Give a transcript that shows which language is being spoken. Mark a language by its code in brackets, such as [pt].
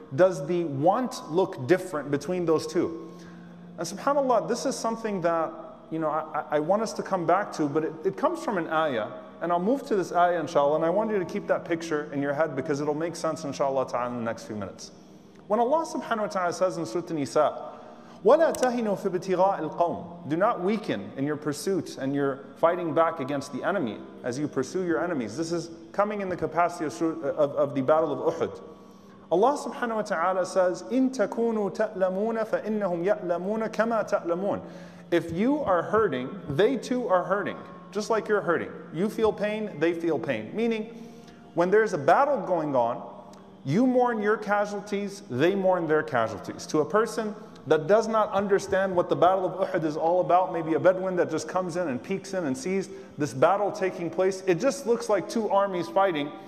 [en] Does the want look different between those two? And subhanAllah, this is something that, you know, I want us to come back to, but it comes from an ayah, and I'll move to this ayah, inshallah, and I want you to keep that picture in your head because it'll make sense, inshallah ta'ala, in the next few minutes. When Allah subhanahu wa ta'ala says in Surah An-Nisa, [ar] وَلَا تَهِنُوا فِي بِتِغَاءِ الْقَوْمِ, [en] do not weaken in your pursuit and your fighting back against the enemy as you pursue your enemies. This is coming in the capacity of the Battle of Uhud. Allah subhanahu wa ta'ala says, [ar] إِن تَكُونُوا تَأْلَمُونَ فَإِنَّهُمْ يَأْلَمُونَ كَمَا تَأْلَمُونَ. [en] If you are hurting, they too are hurting, just like you're hurting. You feel pain, they feel pain. Meaning, when there's a battle going on, you mourn your casualties, they mourn their casualties. To a person that does not understand what the Battle of Uhud is all about, maybe a Bedouin that just comes in and peeks in and sees this battle taking place, it just looks like two armies fighting.